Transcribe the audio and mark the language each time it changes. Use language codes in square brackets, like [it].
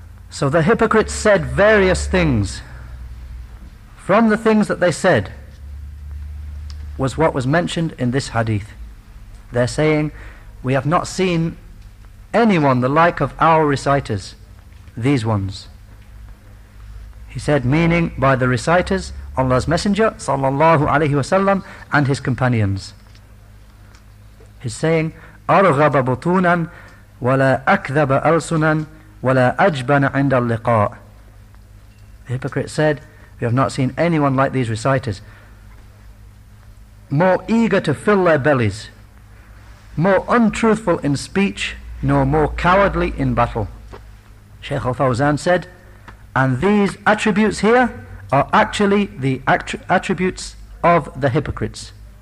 [en] So the hypocrites said various things. From the things that they said was what was mentioned in this hadith. They're saying, "We have not seen anyone the like of our reciters, these ones." He said, meaning by the reciters, Allah's Messenger, sallallahu alaihi wasallam, and his companions. He's saying, [ar] أَرْغَبَ بُطُونًا وَلَا أَكْذَبَ أَلْسُنًا وَلَا أَجْبَنَ عِنْدَ اللِّقَاءِ. [en] The hypocrite said, "We have not seen anyone like these reciters, more eager to fill their bellies, more untruthful in speech, nor more cowardly in battle." Shaykh al-Fawzan said, "And these attributes here are actually the attributes of the hypocrites.